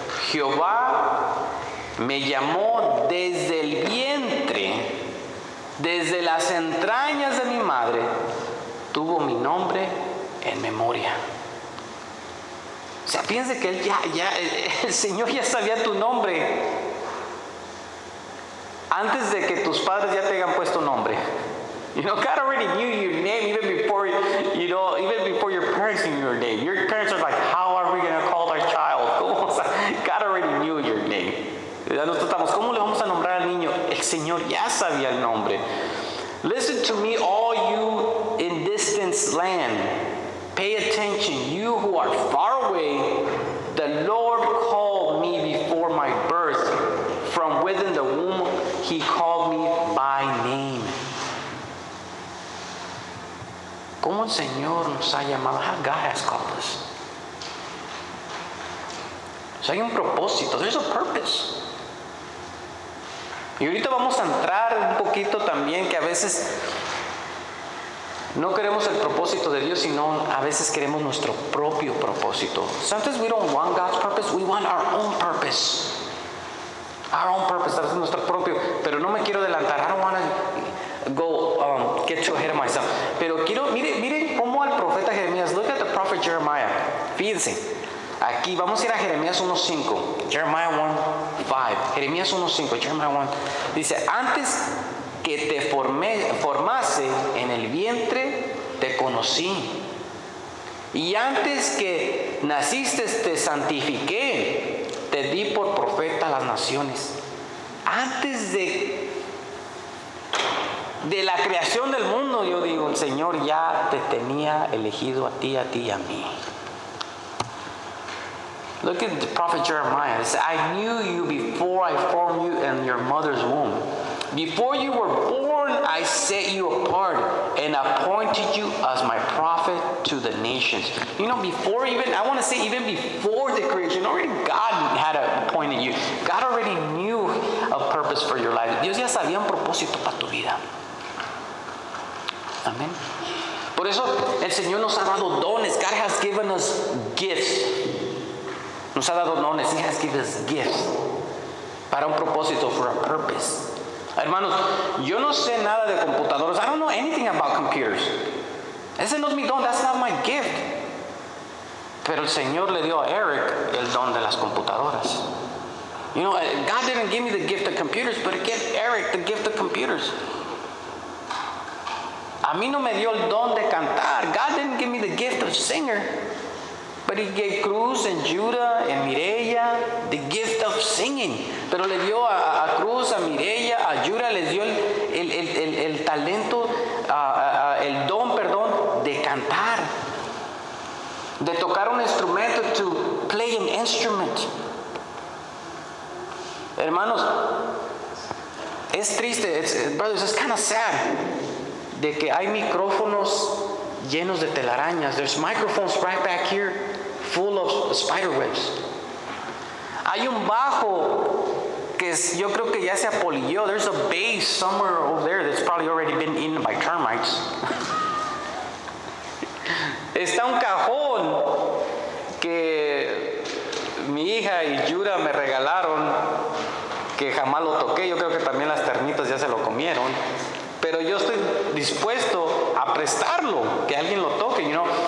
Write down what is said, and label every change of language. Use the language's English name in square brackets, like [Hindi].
[Spanish] Jehová me llamó desde el vientre, desde las entrañas de mi madre, tuvo mi nombre en memoria. O sea, piense que el Señor ya sabía tu nombre antes de que tus padres ya te hayan puesto nombre. [English] You know, God already knew your name even before, you know, even before your parents knew your name. Your parents are like, how are we going to call our child? God already knew your name. [Spanish] Ya nos tratamos, ¿cómo le vamos a nombrar al niño? El Señor ya sabía el nombre. [English] Listen to me, all you in distant land. Pay attention, you who are far away. The Lord called me before my birth. From within the womb, he called me by name. [Spanish] ¿Cómo el Señor nos ha llamado? [English] How God has called us. So [Spanish] hay un propósito, [English] there's a purpose. [Spanish] Y ahorita vamos a entrar un poquito también, que a veces no queremos el propósito de Dios, sino a veces queremos nuestro propio propósito. [English] Sometimes we don't want God's purpose, we want our own purpose. Our own purpose, [Spanish] a veces nuestro propio. Pero no me quiero adelantar, [English] I don't want to go get too ahead of myself. [Spanish] Pero quiero, miren cómo al profeta Jeremías, [English] look at the prophet Jeremiah, [Spanish] fíjense. Aquí vamos a ir a Jeremías 1:5. Jeremiah 1:5. Jeremías 1:5. Jeremiah 1. Dice, antes que te formase en el vientre, te conocí. Y antes que naciste, te santifiqué. Te di por profeta a las naciones. Antes de la creación del mundo, yo digo, el Señor ya te tenía elegido a ti y a mí. [English] Look at the prophet Jeremiah. It says, I knew you before I formed you in your mother's womb. Before you were born, I set you apart and appointed you as my prophet to the nations. You know, before even, I want to say even before the creation, already God had appointed you. God already knew a purpose for your life. [Spanish] Dios ya sabía un propósito para tu vida. Amen. Por eso el Señor nos ha dado dones. [English] God has given us gifts. [Spanish] Nos ha dado dones. [English] He has given us gifts. [Spanish] Para un propósito, [English] for a purpose. [Spanish] Hermanos, yo no sé nada de computadoras. [English] I don't know anything about computers. [Spanish] Ese no es mi don. [English] That's not my gift. [Spanish] Pero el Señor le dio a Eric el don de las computadoras. [English] You know, God didn't give me the gift of computers, but he gave Eric the gift of computers. [Spanish] A mí no me dio el don de cantar. [English] God didn't give me the gift of singer. But he gave Cruz and Judah and Mireya the gift of singing. [Spanish] Pero le dio a Cruz, a Mireya, a Judah, les dio el talento, el don, perdón, de cantar. De tocar un instrumento, [English] to play an instrument. [Spanish] Hermanos, es triste, [English] brothers, it's kind of sad [Spanish] de que hay micrófonos llenos de telarañas. [English] There's microphones right back here. Full of spider webs. [Spanish] Hay un bajo que es, yo creo que ya se apolilló. [English] There's a bass somewhere over there that's probably already been eaten by termites. [Spanish] Está un cajón que Mi hija y Yura me regalaron, que jamás lo toqué, yo creo que también las termitas ya se lo comieron, pero yo estoy dispuesto a prestarlo, que alguien lo toque, you know.